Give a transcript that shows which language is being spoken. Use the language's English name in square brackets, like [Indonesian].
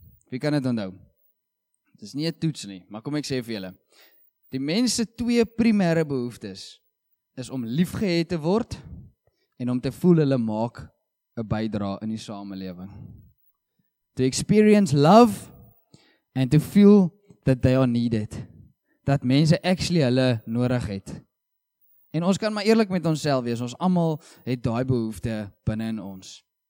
[Afrikaans] Wie kan dit onthou? Dit is nie 'n toets nie, maar kom ek sê vir julle. Die mens se 2 primêre behoeftes is om liefgehad te word en om te voel hulle maak 'n bydra in die samelewing. [English] To experience love and to feel that they are needed. [Afrikaans] Dat mense actually hulle nodig het. En ons kan maar eerlik met onsself wees, ons almal het daai behoefte binne in ons.